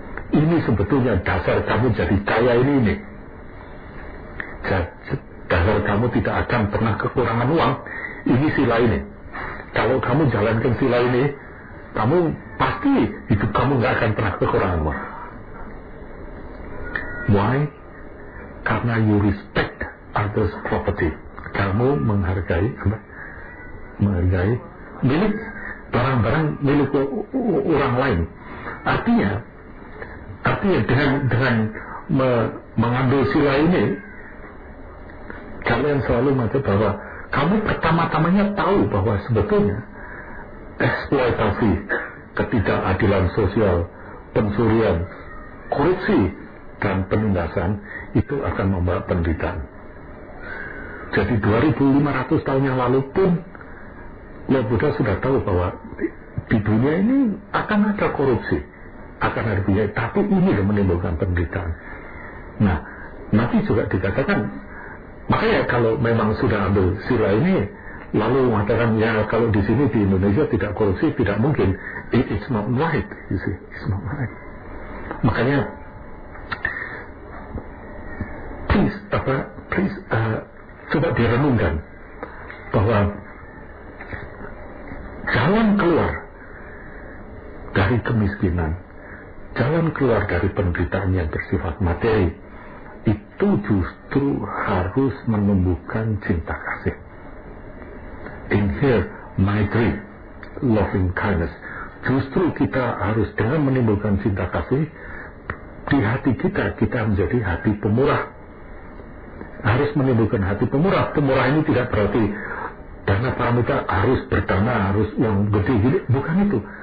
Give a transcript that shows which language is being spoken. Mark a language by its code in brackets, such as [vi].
[id] Ini sebetulnya dasar kamu jadi kaya ini. Dasar kamu tidak akan pernah kekurangan uang, ini sila ini. Kalau kamu jalankan sila ini, kamu pasti hidup kamu gak akan pernah kekurangan uang. [en] Why? [id] Karena [en] you respect others' property. [id] Kamu menghargai apa? Menghargai milik barang-barang milik orang lain. Artinya dengan mengambil sila ini, kalian selalu mengatakan bahwa kamu pertama-tamanya tahu bahwa sebetulnya eksploitasi, ketidakadilan sosial, pencurian, korupsi, dan penindasan itu akan membawa penderitaan. Jadi 2500 tahun yang lalu pun Lord Buddha sudah tahu bahwa di dunia ini akan ada korupsi, akan ada penyakit, tapi ini yang menimbulkan penderitaan. Nah, nanti juga dikatakan. Makanya kalau memang sudah ambil sila ini, lalu mengatakan ya kalau di sini di Indonesia tidak korupsi, tidak mungkin. [en] It's not right, you see, it's not right. [id] Makanya, [en] please, [id] coba direnungkan bahwa jalan keluar dari kemiskinan, jalan keluar dari penderitaan yang bersifat materi, itu justru harus menumbuhkan cinta kasih. [en] In here, my dream, loving kindness. [id] Justru kita harus dengan menimbulkan cinta kasih, di hati kita, kita menjadi hati pemurah. Harus menimbulkan hati pemurah. Pemurah ini tidak berarti dana paramita harus berdana, harus yang gede gede. Bukan itu.